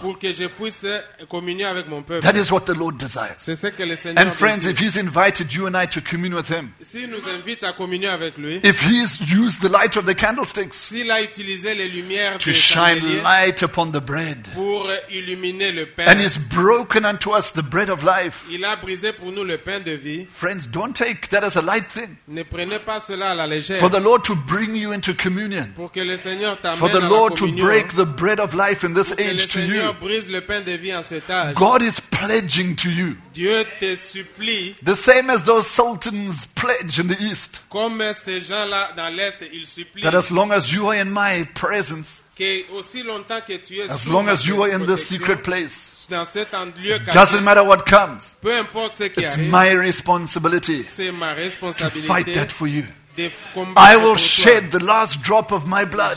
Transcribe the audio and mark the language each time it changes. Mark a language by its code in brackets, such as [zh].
[fr] Pour que je puisse communier avec mon peuple. [en] That is what the Lord desires. [fr] C'est ce que le Seigneur [en] and friends, [fr] désire. [en] If He's invited you and I to commune with Him, [fr] si nous invite à communier avec lui, [en] if He's used the light of the candlesticks [fr] s'il a utilisé les lumières [en] to shine light upon the bread [fr] pour illuminer le pain, [en] and He's broken unto us the bread of life, [fr] il a brisé pour nous le pain de vie, [en] friends, don't take that as a light thing. [fr] Ne prenez pas cela à la légère. [en] For the Lord to bring you into communion, [fr] pour que le Seigneur t'amène [en] for the Lord to break the bread of life in this age to you, [fr] brise le pain de vie en cet âge, [en] God is pledging to you. [fr] Dieu te supplie, [en] the same as those sultans pledge in the east, [fr] comme ces gens-là dans l'est, ils supplient, [en] that as long as you are in my presence, [fr] que aussi longtemps que tu es [en] as long as you are in this secret place, [fr] dans cet lieu [en] it doesn't matter what comes, [fr] peu importe ce qui [en] it's [fr] arrive, [en] my responsibility, [fr] c'est ma responsabilité [en] to fight that for you. I will shed the last drop of my blood,